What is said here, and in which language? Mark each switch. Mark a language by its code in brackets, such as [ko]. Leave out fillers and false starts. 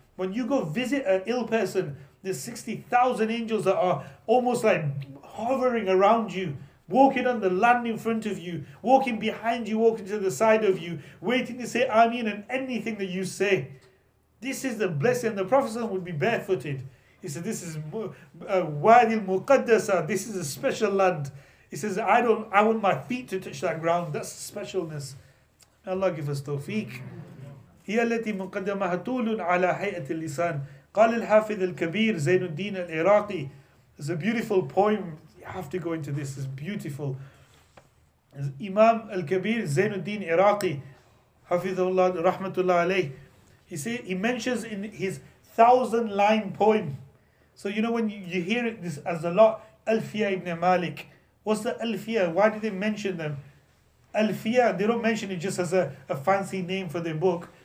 [en] When you go visit an ill person, there's 60,000 angels that are almost like hovering around you, walking on the land in front of you, walking behind you, walking to the side of you, waiting to say Ameen and anything that you say. This is the blessing. And the Prophet would be barefooted. He said, this is Wadi al-Muqaddasa. This is a special land. He says, I want my feet to touch that ground. That's specialness. May Allah give us tawfiq. [ar] هي التي مقدمها طول على هيئة اللسان. قال الحافظ الكبير زين الدين العراقي. [en] It's a beautiful poem. You have to go into this. It's beautiful. Imam al-Kabir زين الدين العراقي. [ar] حفظه الله رحمة الله عليه. [en] He mentions in his 1,000-line poem. So you know when you hear it, this as a lot, Alfiya ibn Malik. What's the Alfiya? Why did they mention them? Alfiya, they don't mention it just as a fancy name for their book.